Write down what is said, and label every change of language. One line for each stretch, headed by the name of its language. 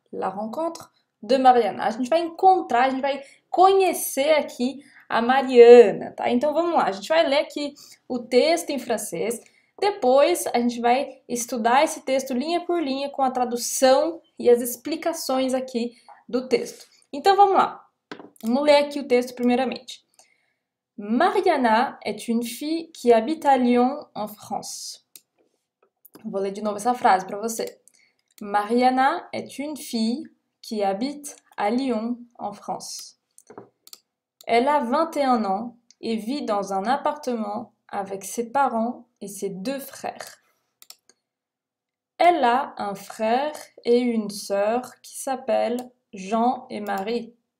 French: La Rencontre de Mariana.
Portuguese: A gente vai encontrar, a gente vai conhecer aqui a Mariana, tá? Então vamos lá, a gente vai ler aqui o texto em francês, depois a gente vai estudar esse texto linha por linha com a tradução e as explicações aqui do texto. Então vamos lá. Vamos ler aqui o texto primeiramente.
French: Mariana est une fille qui habite à Lyon, en France.
Portuguese: Vou ler de novo essa frase para você.
French: Mariana est une fille qui habite à Lyon, en France. Elle a 21 ans et vit dans un appartement avec ses parents et ses deux frères. Elle a un frère et une sœur qui s'appellent Jean et Marie.